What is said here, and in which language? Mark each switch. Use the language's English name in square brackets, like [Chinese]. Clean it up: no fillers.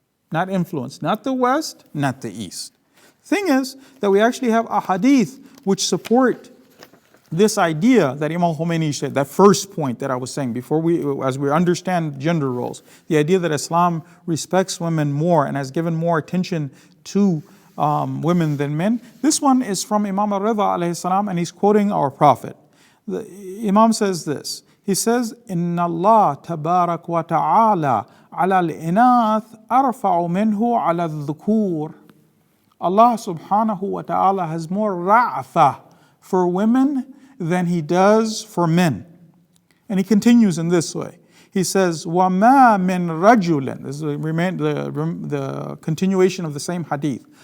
[English] Not influence, not the West, not the East. Thing is that we actually have ahadith which support this idea that Imam Khomeini said, that first point that I was saying before, as we understand gender roles, the idea that Islam respects women more and has given more attention to women than men. This one is from Imam al-Ridha alayhi salam, and he's quoting our Prophet. The Imam says this. He says, [Arabic] إِنَّ اللَّهَ تَبَارَكْ وَتَعَالَى عَلَى الْإِنَاثِ أَرْفَعُ مِنْهُ عَلَى الذُّكُورِ. [English] Allah subhanahu wa ta'ala has more ra'fa for women than he does for men. And he continues in this way. He says, [Arabic] وَمَا مِنْ رَجُلٍ, [English] this is the continuation of the same hadith.